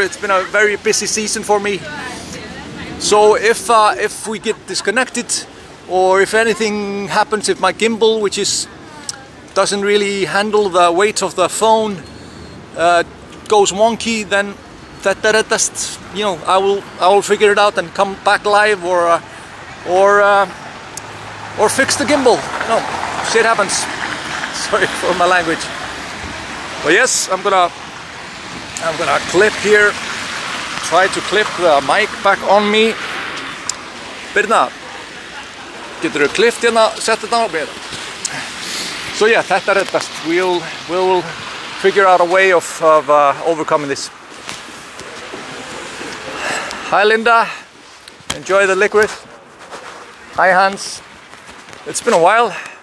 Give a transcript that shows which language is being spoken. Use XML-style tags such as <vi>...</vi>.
<en>It's been a very busy season for me. So if we get disconnected, or if anything happens, if my gimbal, which is doesn't really handle the weight of the phone, goes wonky, then that, you know, I will figure it out and come back live, or fix the gimbal. No, shit happens. Sorry for my language. But yes, I'm gonna clip here. Try to clip the mic back on me.</en> <is>Birna, getur þú klippt hérna, settu þetta á mér.</is> <en>So yeah,</en> <is>þetta reddast.</is> <en>We'll figure out a way of overcoming this. Hi Linda, enjoy the licorice. Hi Hans, it's been a while.</en>